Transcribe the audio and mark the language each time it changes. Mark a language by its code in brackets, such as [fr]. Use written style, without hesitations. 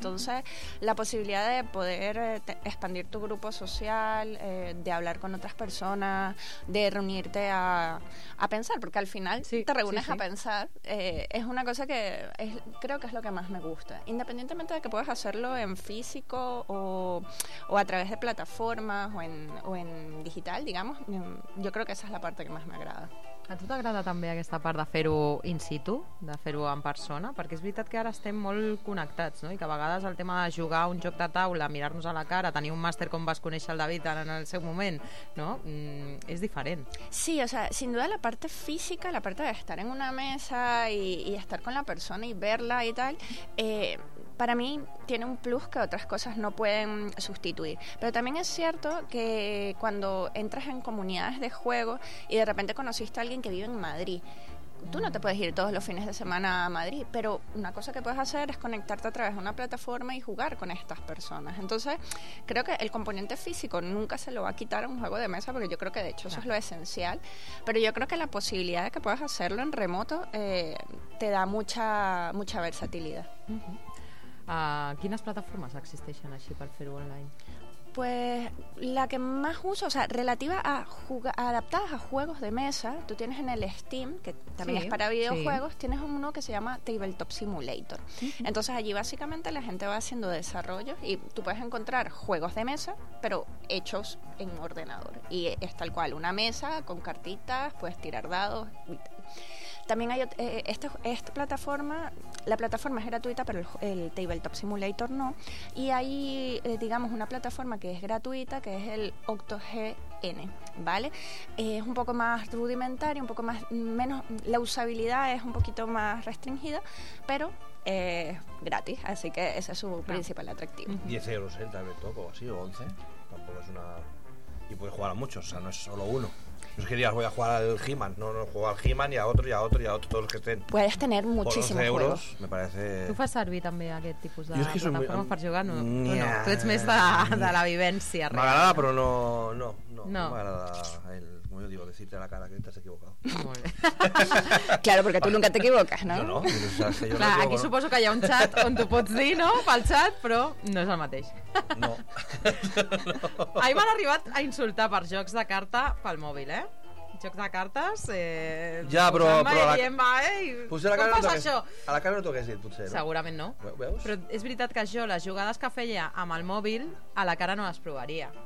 [es] Entonces, uh-huh, la posibilidad de poder expandir tu grupo social, de hablar con otras personas, de reunirte a pensar, porque al final sí, te reúnes, sí, sí, a pensar, es una cosa que es, creo que es lo que más me gusta. Independientemente de que puedas hacerlo en físico o a través de plataformas o en digital, digamos, yo creo que esa es la parte que más me agrada. [ca] A tu t'agrada també aquesta part de fer-ho in situ, de fer-ho en persona? Perquè és veritat que ara estem molt connectats, no? I que a vegades el tema de jugar un joc de taula, mirar-nos a la cara, tenir un màster com vas conèixer el David en el seu moment, no? És diferent. [es] Sí, o sea, sin duda la parte física, la parte de estar en una mesa y estar con la persona y verla y tal, para mí tiene un plus que otras cosas no pueden sustituir. Pero también es cierto que cuando entras en comunidades de juego y de repente conociste a alguien que vive en Madrid, tú no te puedes ir todos los fines de semana a Madrid, pero una cosa que puedes hacer es conectarte a través de una plataforma y jugar con estas personas. Entonces, creo que el componente físico nunca se lo va a quitar a un juego de mesa, porque yo creo que de hecho eso, claro, es lo esencial. Pero yo creo que la posibilidad de que puedas hacerlo en remoto te da mucha, mucha versatilidad. Uh-huh. [ca] ¿Quines plataformes existeixen així per fer-ho online? [es] Pues la que más uso, o sea, relativa a adaptadas a juegos de mesa, tú tienes en el Steam, que también, sí, es para videojuegos, sí, tienes uno que se llama Tabletop Simulator. Entonces allí básicamente la gente va haciendo desarrollos y tú puedes encontrar juegos de mesa, pero hechos en ordenador. Y es tal cual, una mesa con cartitas, puedes tirar dados y tal. También hay esta plataforma, la plataforma es gratuita, pero el Tabletop Simulator no. Y hay, digamos, una plataforma que es gratuita, que es el OctoGN, ¿vale? Es un poco más rudimentario, un poco más, menos, la usabilidad es un poquito más restringida, pero gratis, así que ese es su principal atractivo. 10 euros el Tabletop o así, o 11, tampoco es una y puedes jugar a muchos, o sea, no es solo uno. Yo es que dirías, voy a jugar al He-Man, no juego al He-Man y a otro, y a otro, y a otro, todos los que estén. Puedes tener muchísimos euros, juegos. Me parece... [ca] ¿Tú fas servir també aquest tipus de plataformes per jugar? No, tu ets més de la vivència. M'agrada, però no m'agrada el... [es] Como yo digo, decirte a la cara que te has equivocado. Muy bien. Claro, porque tú nunca te equivocas, ¿no? Yo no. O sea, que yo claro, no aquí supongo que haya un chat [ca] on tu pots dir, [es] ¿no? [ca] Pel chat, però no és el mateix. No. Ahí m'han arribat a insultar per jocs de carta pel mòbil, ¿eh? Jocs de cartes... Ja, però... Posant-me la... i dient, va, ei, potser com passa això? A la cara no t'ho hagués dit, potser. No? Segurament no. Veus? Però és veritat que jo, les jugades que feia amb el mòbil, a la cara no les provaria.